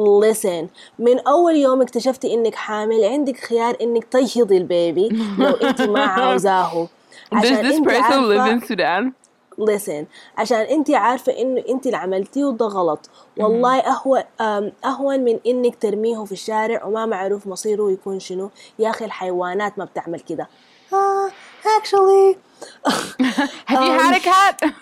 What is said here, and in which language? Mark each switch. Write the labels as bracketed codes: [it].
[en] Listen, [ar] من أول يوم اكتشفت إنك حامل عندك خيار إنك تيهضي البيبي لو أنت ما عاوزاه. [en] Does this person live in Sudan? Listen, [ar] عشان أنت عارفة إنه أنت اللي عملتيه وده غلط. والله أهون من إنك ترميه في الشارع وما معروف مصيره يكون شنو. يا أخي الحيوانات ما بتعمل كده. [en] Actually. Have you had a cat?